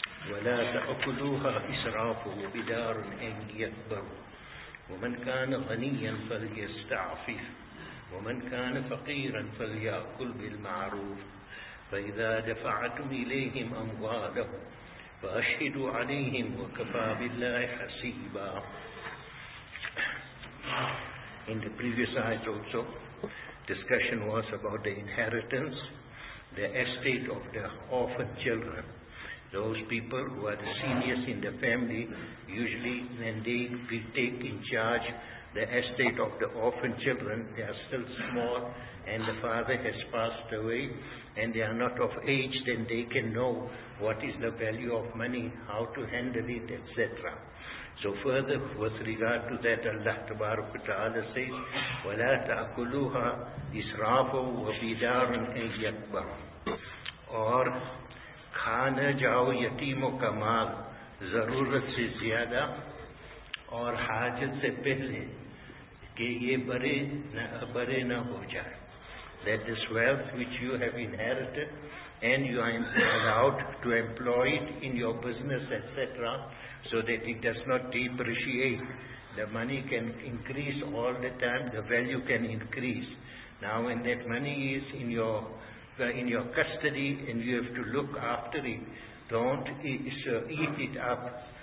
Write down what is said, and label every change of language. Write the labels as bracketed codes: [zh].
[ar] ولا تأكلوها إسرافه بدار أن يكبروا، ومن كان غنيا فليستعفف، ومن كان فقيرا فليأكل بالمعروف. فإذا دفعتم إليهم أموالهم فأشهدوا عليهم، وكفى بالله حسيبا. [en] In the previous ayat also, discussion was about the inheritance, the estate of the orphan children. Those people who are the seniors in the family, usually when they will take in charge the estate of the orphan children, they are still small and the father has passed away and they are not of age, then they can know what is the value of money, how to handle it, etc. So further, with regard to that, Allah Tabaruk Ta'ala says, [ar] وَلَا تَأْكُلُوهَا إِسْرَافًا وَبِدَارًا أَنْ يَكْبَرُ. [ur] اور کھانا جاؤ یتیموں کا مال ضرورت سے زیادہ اور حاجت سے پہلے کہ یہ بڑے نہ ہو جائے. [en] That this wealth which you have inherited and you are allowed to employ it in your business, etc., so that it does not depreciate. The money can increase all the time, the value can increase. Now when that money is in your custody and you have to look after it, don't eat it up.